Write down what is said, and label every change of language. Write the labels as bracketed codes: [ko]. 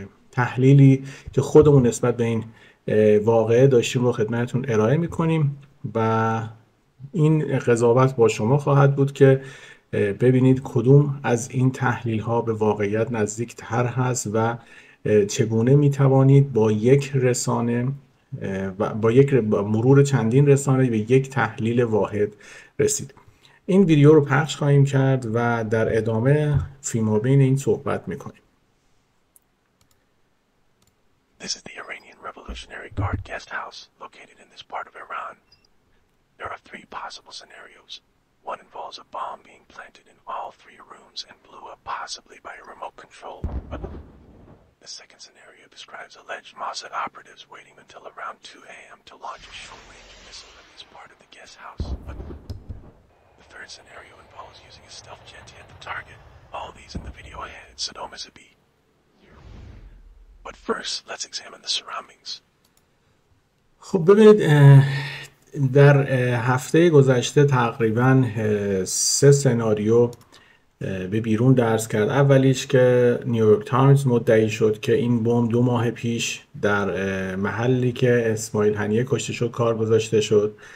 [fa] تحلیلی که خودمون نسبت به این واقعه داشتیم رو خدمتتون ارائه میکنیم و این قضاوت با شما خواهد بود که ببینید کدوم از این تحلیل ها به واقعیت نزدیک تر هست و چگونه میتوانید با یک رسانه و با یک مرور چندین رسانه به یک تحلیل واحد رسید. این ویدیو رو پخش خواهیم کرد و در ادامه فیما بین این صحبت میکنیم. [en] This is the Iranian Revolutionary Guard guest house located in this part of Iran. There are three possible scenarios. One involves a bomb being planted in all three rooms and blew up possibly by a remote control. The second scenario describes alleged Mossad operatives waiting until around 2 a.m. to launch a short-range missile at this part of the guest house. But the third scenario involves using a stealth jet to hit the target. All these in the video ahead at Sodom is a bee. But first, let's examine the surroundings. [fa] خب ببینید، در هفته گذشته تقریبا سه سناریو به بیرون درس کرد. اولیش که نیویورک تایمز مدعی شد که این بمب 2 ماه پیش در محلی که اسماعیل هنیه کشته شد کار گذاشته شد.